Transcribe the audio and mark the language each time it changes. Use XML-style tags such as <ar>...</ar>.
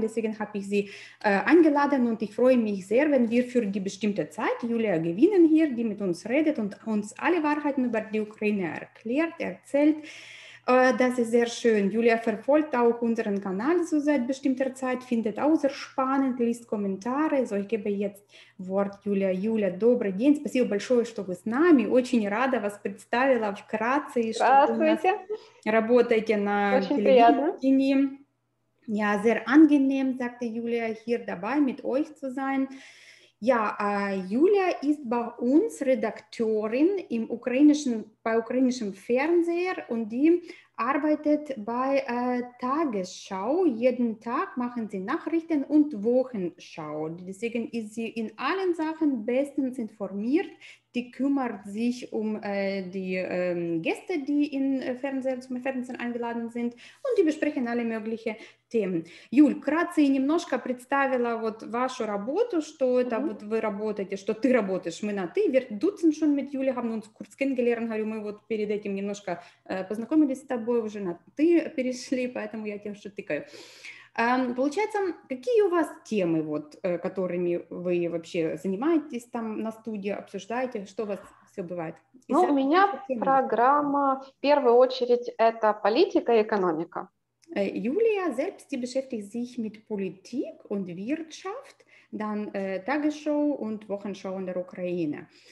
<de>Deswegen habe ich sie eingeladen und ich freue mich sehr, wenn wir für die bestimmte Zeit Julia gewinnen hier, die mit uns redet und uns alle Wahrheiten über die Ukraine erzählt. Das ist sehr schön. Julia verfolgt auch unseren Kanal so seit bestimmter Zeit, findet auch sehr spannend, liest Kommentare. So, ich gebe jetzt Wort Julia.</de> <ru>Julia, добрый день. Спасибо большое, что вы с нами. Очень рада вас представила вкратце, что вы у нас работаете на телевидении.</ru> <de>Ja, sehr angenehm, sagte Julia, hier dabei mit euch zu sein. Ja, Julia ist bei uns Redakteurin im ukrainischem Fernseher und die arbeitet bei Tagesschau. Jeden Tag machen sie Nachrichten und Wochenschau. Deswegen ist sie in allen Sachen bestens informiert. Die kümmert sich um die Gäste, die in Fernsehen, zum Fernsehen eingeladen sind und die besprechen alle möglichen Themen.</de> <uk>Юль, кратце і немножко представила вот вашу роботу, що это вот ви работаєте, що ти работаєш, ми на ти.</uk> <de>Wir duzen schon mit Julia, haben uns kurz kennengelernt,</de> <ru>говорю, ми вот перед этим немножко познакомились с тобой, уже на ты перешли, поэтому я тебя уже тыкаю. Получается, какие у вас темы, вот, которыми вы вообще занимаетесь там на студии, обсуждаете, что у вас все бывает? Ну, у меня программа, в первую очередь, это политика и экономика.</ru> <de>Julia selbst, die beschäftigt sich mit Politik und Wirtschaft, dann Tagesschau und Wochenschau in der Ukraine.</de>